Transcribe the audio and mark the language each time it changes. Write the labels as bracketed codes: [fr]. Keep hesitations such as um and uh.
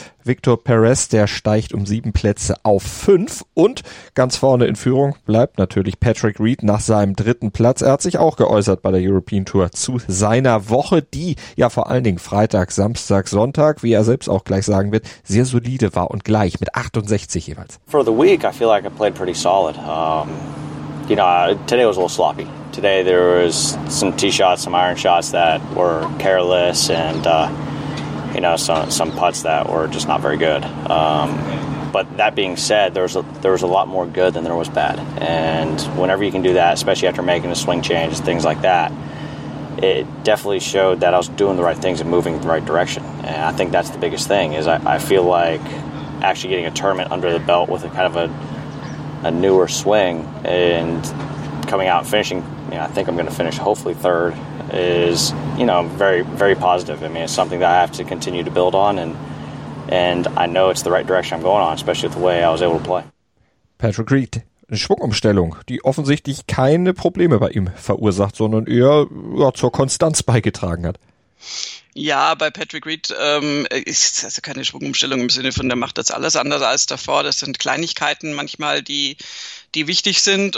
[de] Victor Perez, der steigt um sieben Plätze auf fünf und ganz vorne in Führung bleibt natürlich Patrick Reed nach seinem dritten Platz. Er hat sich auch geäußert bei der European Tour zu seiner Woche, die ja vor allen Dingen Freitag, Samstag, Sonntag, wie er selbst auch gleich sagen wird, sehr solide war und gleich mit 68 jeweils. [en] For the week I feel like I played solid. Um, you know, today was a little sloppy. Today there was some tee shots, some iron shots that were careless and uh, you know some some putts that were just not very good. Um, but that being said, there was a, there was a lot more good than there was bad. And whenever you can do that, especially after making a swing change and things like that, it definitely showed that I was doing the right things and moving in the right direction. And I think that's the biggest thing is I, I feel like actually getting a tournament under the belt with a kind of a a newer swing and coming out and finishing you yeah, I think I'm going finish hopefully third is you know very very positive. I mean, it's something that I have to continue to build on, and and I know it's the right direction I'm going on, especially with the way I was able to play. Patrick Reed. [de] Eine Schwungumstellung, die offensichtlich keine Probleme bei ihm verursacht, sondern eher ja, zur Konstanz beigetragen hat. Ja, bei Patrick Reed ähm, ist es keine Schwungumstellung im Sinne von, der macht das alles anders als davor. Das sind Kleinigkeiten manchmal, die die wichtig sind.